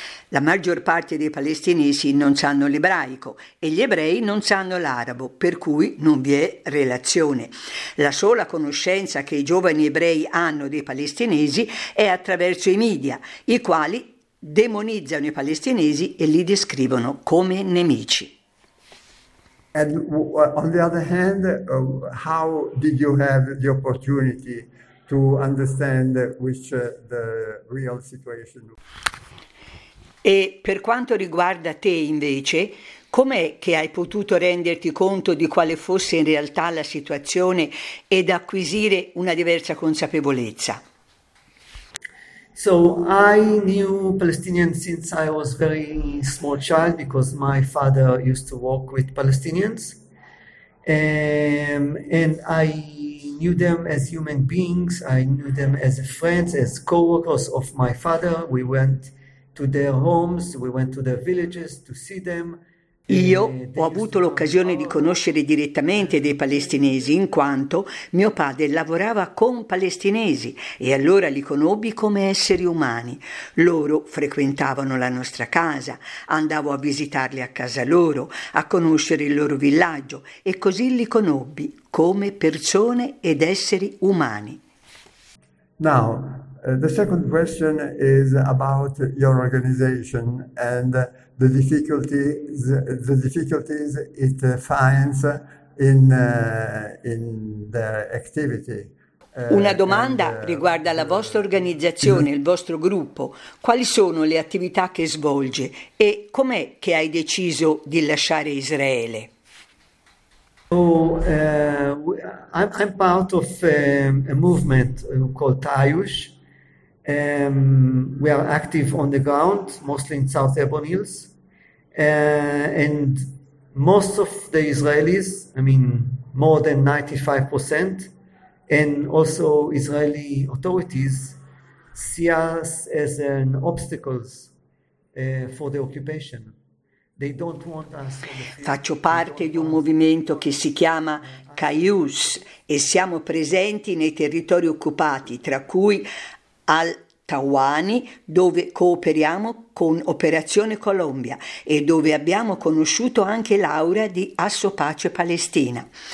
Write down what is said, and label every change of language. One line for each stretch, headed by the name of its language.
Italian: La maggior parte dei palestinesi non sanno l'ebraico e gli ebrei non sanno l'arabo, per cui non vi è relazione. La sola conoscenza che i giovani ebrei hanno dei palestinesi è attraverso i media, i quali demonizzano i palestinesi e li descrivono come nemici.
English: And on the other hand, how did you have the opportunity to understand which the real situation?
Italian: E per quanto riguarda te invece, com'è che hai potuto renderti conto di quale fosse in realtà la situazione ed acquisire una diversa consapevolezza?
English: So I knew Palestinians since I was very small child because my father used to work with Palestinians, and I knew them as human beings. I knew them as friends, as co-workers of my father. We went to their homes, we went to their villages to see them.
Italian: Io ho avuto l'occasione di conoscere direttamente dei palestinesi, in quanto mio padre lavorava con palestinesi, e allora li conobbi come esseri umani. Loro frequentavano la nostra casa, andavo a visitarli a casa loro, a conoscere il loro villaggio, e così li conobbi come persone ed esseri umani.
English: Now, the second question is about your organization and the difficulties it finds in the activity.
Italian: Una domanda riguarda la vostra organizzazione, il vostro gruppo. Quali sono le attività che svolge e com'è che hai deciso di lasciare Israele?
English: I'm part of a movement called Taayush. We are active on the ground, mostly in South Hebron Hills, and most of the Israelis, I mean, more than 95%, and also Israeli authorities see us as an obstacles for the occupation. They don't want us.
Italian: Faccio parte di un movimento che si chiama Kayus, e siamo presenti nei territori occupati, tra cui al Tawani, dove cooperiamo con Operazione Colombia e dove abbiamo conosciuto anche Laura di Assopace Palestina.